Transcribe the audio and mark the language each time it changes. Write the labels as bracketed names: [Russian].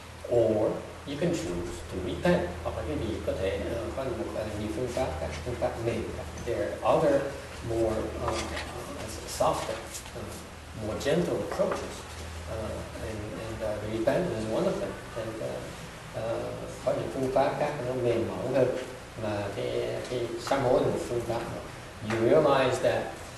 [English] Or you can choose to repent. [Vietnamese] Hoặc là quý vị có thể có một nhiều phương pháp, các phương pháp mềm. [English] There are other more softer, more gentle approaches. And repent is one of them. [Vietnamese] And có những phương pháp khác nó mềm mỏng hơn. Mà cái sám hối là một phương pháp. [English] You realize that